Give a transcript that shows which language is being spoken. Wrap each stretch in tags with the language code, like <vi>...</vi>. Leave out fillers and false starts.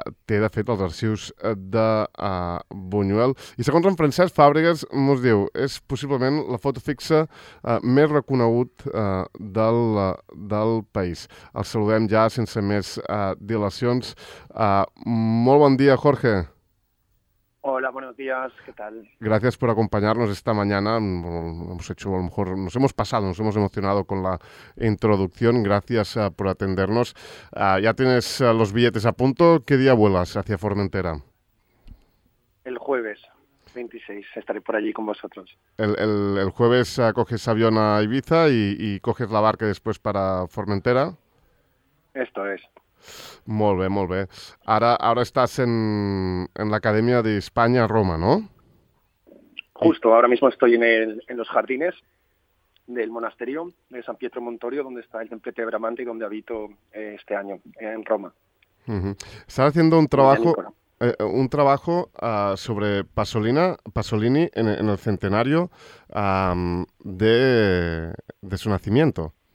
<ca>Té, de fet, els arxius de Buñuel. I segons en Francesc Fàbregas, mos diu, és possiblement la foto fixa més reconegut del país. El saludem ja sense més dilacions. Molt bon dia, Jorge.</ca> <es>Hola, buenos días, ¿qué tal? Gracias por acompañarnos esta mañana. Hemos hecho, a lo mejor, nos hemos pasado, nos hemos emocionado con la introducción. Gracias por atendernos. ¿Ya tienes los billetes a punto? ¿Qué día vuelas hacia Formentera? El jueves 26, estaré por allí con vosotros. El jueves coges avión a Ibiza y coges la barca después para Formentera. Esto es.</es> <ca>Molt bé, molt bé. Ara estàs en l'Acadèmia d'Espanya a Roma, no?</ca> <es>Justo, ahora mismo estoy en los jardines del monasterio de San Pietro Montorio, donde está el templete de Bramante y donde habito este año, en Roma. Uh-huh. Estás haciendo un trabajo sobre Pasolini en el centenario de su nacimiento.</es>